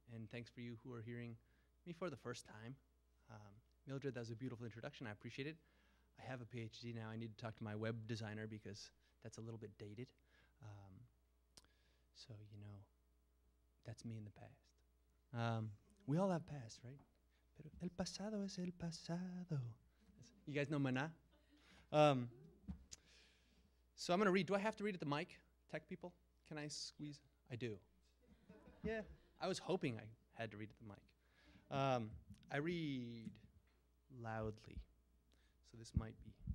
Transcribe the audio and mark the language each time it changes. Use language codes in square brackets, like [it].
[en] And thanks for you who are hearing me for the first time. Mildred, that was a beautiful introduction. I appreciate it. I have a PhD now. I need to talk to my web designer because that's a little bit dated. So, you know, that's me in the past. We all have past, right? [es] Pero el pasado es el pasado. [en] You guys know Maná? So I'm going to read. Do I have to read at the mic, tech people? Can I squeeze? I do. Yeah. I was hoping I had to read at the mic. I read loudly. So this might be.